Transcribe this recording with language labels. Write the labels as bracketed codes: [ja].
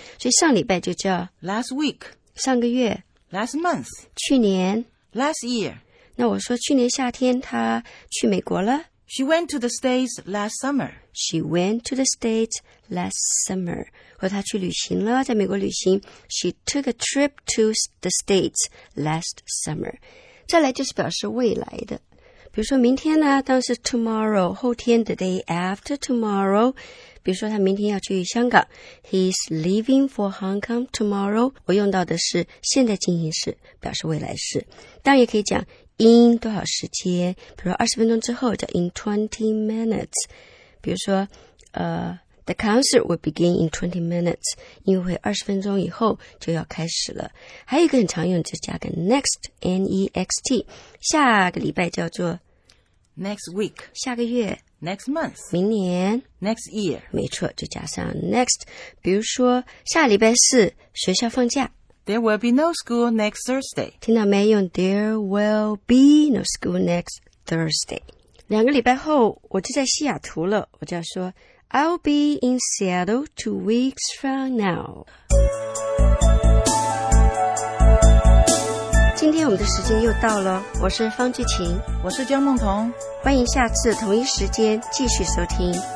[zh] 所以上礼拜就叫 [en] last week. [zh] 上个月。 [en] Last month. [zh] 去年。 [en] Last year. [zh] 那我说去年夏天她去美国了。 [en] She went to the States last summer. She went to the States last summer. [zh] 或她去旅行了在美国旅行。 [en] She took a trip to the States last summer. [zh] 再来就是表示未来的。比如说明天呢当时 tomorrow, 后天 [en] the day after tomorrow。 [zh] 比如说他明天要去香港 [en] He's leaving for Hong Kong tomorrow [zh] 我用到的是现在进行式表示未来式当然也可以讲 in 多少时间比如说20分钟之后叫 [en] in 20 minutes [zh] 比如说 [en] the concert will begin in 20 minutes [zh] 因为20分钟以后就要开始了还有一个很常用就是加个 next N-E-X-T 下个礼拜叫做 [en] next week [zh] 下个月 [en] Next month. [zh] 明年。 [en] Next year. [zh] 没错就加上 next. 比如说下礼拜四学校放假。 [en] There will be no school next Thursday. [zh] 听到没用 [en] There will be no school next Thursday. [zh] 两个礼拜后我就在西雅图了。我就要说 [en] I'll be in Seattle 2 weeks from now. [zh] 今天我们的时间又到了。我是方俊琴。我是江梦彤。欢迎下次同一时间继续收听